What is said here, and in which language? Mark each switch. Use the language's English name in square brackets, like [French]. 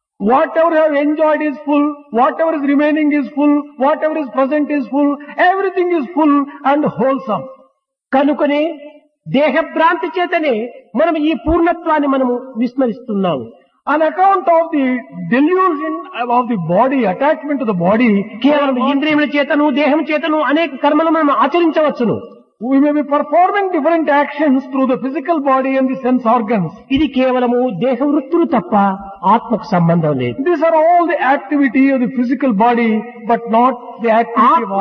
[English] Whatever have enjoyed is full, whatever is remaining is full, whatever is present is full, everything is full and wholesome. [Telugu] కనుకనే దేహభ్రాంతి చేతనే మనం ఈ పూర్ణత్వాన్ని మనము విస్మరిస్తున్నాము. [English] on account of the delusion of the body, attachment to the body, [Telugu] కేవలం ఇంద్రియముల చేతను దేహం చేతను అనేక కర్మలు మనం ఆచరించవచ్చును. [English] We may be performing different actions through the physical body and the sense organs. [Telugu] ఇది కేవలము దేహ వృత్తులు తప్ప ఆత్మకు సంబంధం లేదు. [English] These are all the activity of the physical body, but not the activity of